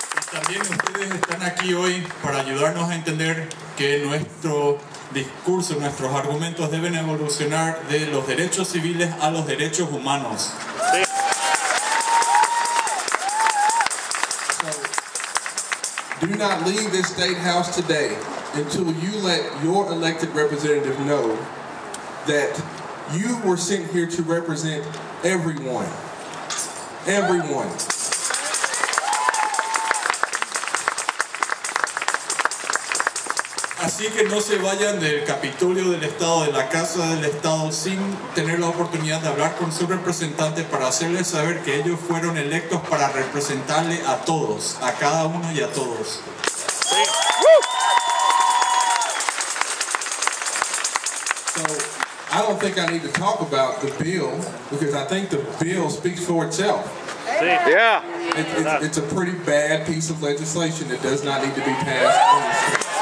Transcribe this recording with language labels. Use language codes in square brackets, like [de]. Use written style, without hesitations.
[es] También ustedes están aquí hoy para ayudarnos a entender que nuestro discurso, nuestros argumentos deben evolucionar de los derechos civiles a los derechos humanos. [en] So, do not leave this state house today until you let your elected representative know that you were sent here to represent everyone. Everyone. [es] Así que no se vayan del Capitolio del Estado, de la Casa del Estado, sin tener la oportunidad de hablar con su representante para hacerles saber que ellos fueron electos para representarle a todos, a cada uno y a todos. [en] So, I don't think I need to talk about the bill, because I think the bill speaks for itself. Yeah. It's a pretty bad piece of legislation that does not need to be passed.